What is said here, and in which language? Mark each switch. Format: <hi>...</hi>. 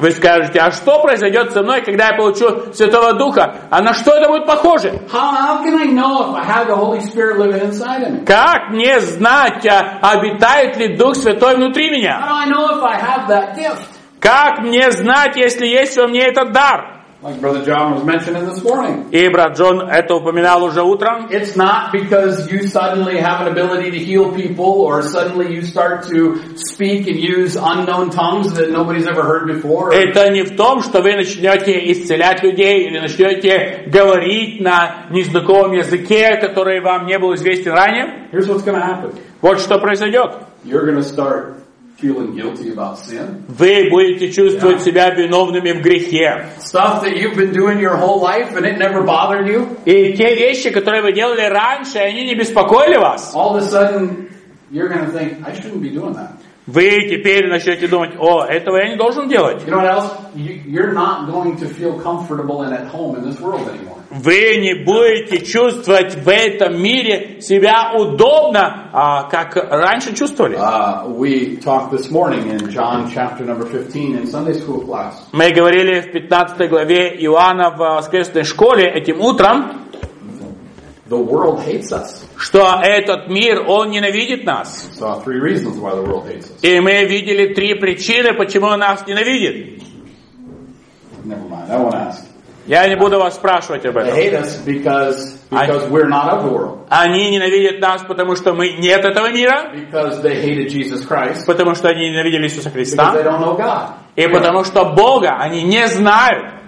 <ru>Вы скажете, а что произойдет со мной, когда я получу Святого Духа? А на что это будет похоже?</ru> <en>How can I know if I have the Holy Spirit living inside of me?</en> <ru>Как мне знать, обитает ли Дух Святой внутри меня?</ru> <en>How do I know if I have that gift?</en> <ru>Как мне знать, если есть во мне этот дар?</ru> <en>Like Brother John was mentioning this morning.</en> <ru>И брат Джон это упоминал уже утром.</ru> <en>It's not because you suddenly have an ability to heal people or suddenly you start to speak and use unknown tongues that nobody's ever heard before.</en> <ru>Это не в том, что вы начнете исцелять людей или начнете говорить на незнакомом языке, который вам не был известен ранее.</ru> <en>Here's what's going to happen.</en> <ru>Вот что произойдет.</ru> <en>You're going to start feeling guilty about sin.</en> <ru>Вы будете чувствовать себя виновными в грехе.</ru> <en>Stuff that you've been doing your whole life and it never bothered you.</en> <ru>И те вещи, которые вы делали раньше, они не беспокоили вас.</ru> <en>All of a sudden, you're going to think, I shouldn't be doing that.</en> <ru>Вы теперь начнете думать, о, этого я не должен делать.</ru> <en>You know what else? You're not going to feel comfortable and at home in this world anymore.</en> <ru>Вы не будете чувствовать в этом мире себя удобно, как раньше чувствовали.</ru> <en>We talked this morning in John chapter number 15 in Sunday school class.</en> <ru>Мы говорили в 15 главе Иоанна в воскресной школе этим утром.</ru> <en>The world hates us.</en> <ru>Что этот мир, он ненавидит нас.</ru> <en>We saw three reasons why the world hates us.</en> <ru>И мы видели три причины, почему он нас ненавидит.</ru> <en>Never mind, I won't ask.</en> <ru>Я не буду вас спрашивать об этом.</ru> <en>They hate us because we're not of the world.</en> <ru>Они ненавидят нас, потому что мы не от этого мира.</ru> <en>Because they hated Jesus Christ.</en> <ru>Потому что они ненавидели Иисуса Христа.</ru> <en>Because they don't know God.</en> <ru>И потому что Бога они не знают.</ru>